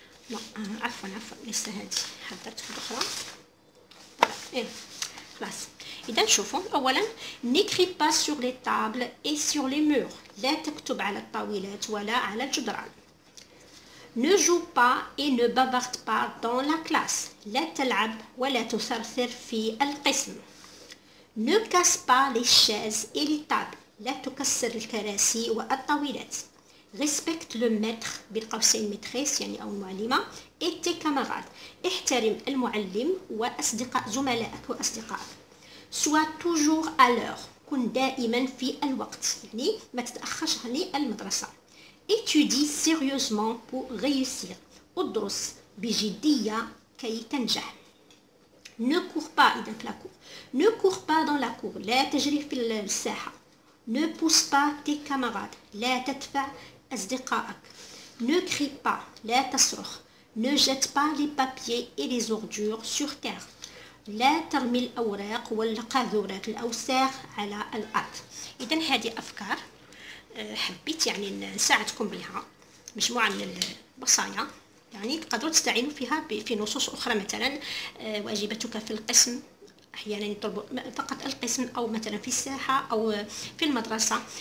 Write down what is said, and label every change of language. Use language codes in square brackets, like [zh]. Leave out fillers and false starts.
[ar] لا عفوا عفوا لسه هادي حضرت واحده اخرى بلاس. اذا شوفوا اولا [fr] نيكري با سور لي طابل اي سور لي مور [ar] لا تكتب على الطاولات ولا على الجدران. [fr] Ne joue pas et ne bavarde pas dans la classe. [ar] لا تلعب ولا تثرثر في القسم. [fr] Ne casse pas les chaises et les tables. [ar] لا تكسر الكراسي والطاولات. [fr] Respecte le maître بين قوسين maîtresse [ar] يعني أو المعلمة [fr] et tes camarades. [ar] احترم المعلم وأصدقاء زملائك وأصدقائك. [fr] Sois toujours à l'heure. [ar] كن دائما في الوقت يعني ما تتأخرش عن المدرسة. [fr] Étudie sérieusement pour réussir. [ar] Odros bijidia kay tanja. [fr] Ne cours pas dans la cour. Ne cours pas dans la cour. [ar] La tajri fi lsaha. [fr] Ne pousse pas tes camarades. [ar] La tadfa asdiqa'ak. [fr] Ne crie pas. [ar] La tasrukh. [fr] Ne jette pas les papiers et les ordures sur terre. [ar] لا ترمي الاوراق والقاذورات الاوساخ على الارض. اذا هذه افكار حبيت يعني نساعدكم بها مجموعة من البصايا يعني تقدروا تستعينوا فيها في نصوص أخرى مثلا واجبتك في القسم أحيانا يطلبوا فقط القسم أو مثلا في الساحة أو في المدرسة.